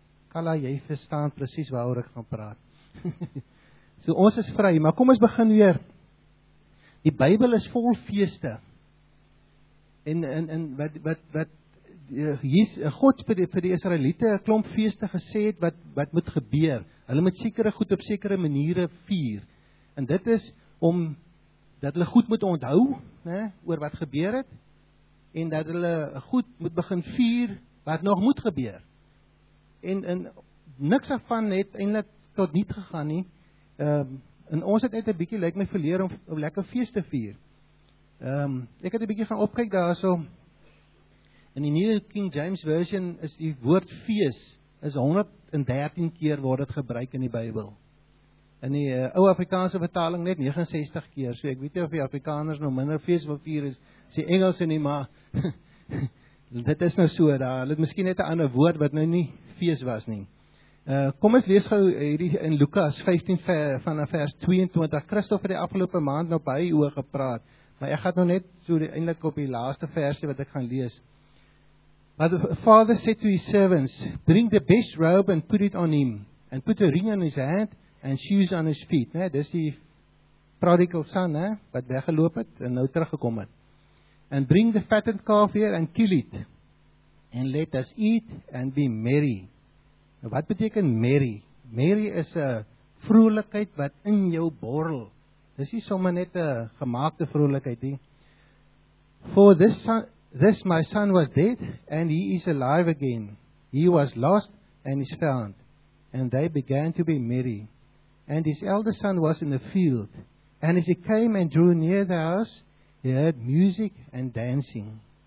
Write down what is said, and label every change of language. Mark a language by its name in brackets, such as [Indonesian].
[Afrikaans] Kala, jy verstaan presies waaroor ek gaan praat. So ons is vry, maar kom ons begin weer. Die Bybel is vol feeste. En wat hier God vir die Israeliete 'n klomp feeste gesê het wat moet gebeur. Hulle moet sekere goed op sekere maniere vier. En dit is om dat hulle goed moet onthou, né, oor wat gebeur het en dat hulle goed moet begin vier wat nog moet gebeur. En niks daarvan het eintlik tot niet gegaan nie. En ons het net 'n bietjie lyk my verleer om 'n lekker fees te vier. Ek het 'n bietjie gaan opkyk daarso. In die New King James Version is die woord fees is 113 keer word dit gebruik in die Bybel. In die ou Afrikaanse vertaling net 69 keer. So ek weet nie of die Afrikaners nou minder fees wil vier as die Engelse nie, maar dit is nou so daar. Hulle het miskien net 'n ander woord wat nou nie fees was nie. Kom ons lees gou hierdie in Lukas 15 vanaf vers 22. Christof het die afgelope maand nou baie oor gepraat, maar ek gaan nou net so eintlik op die laaste versie wat ek gaan lees. [English] But the father said to his servants, bring the best robe and put it on him, and put a ring on his hand and shoes on his feet. [Afrikaans] Nee, dis die [English] prodigal son, [Afrikaans] hè, wat weggeloop het en nou teruggekom het. [English] And bring the fattened calf here and kill it. And let us eat and be merry. [Afrikaans] Nou, wat beteken merry? Merry is 'n vrolikheid wat in jou borrel. Dis nie sommer net 'n gemaakte vrolikheid nie. [English] For this my son was dead and he is alive again. He was lost and is found. And they began to be merry. And his eldest son was in the field. And as he came and drew near the house, he heard music and dancing.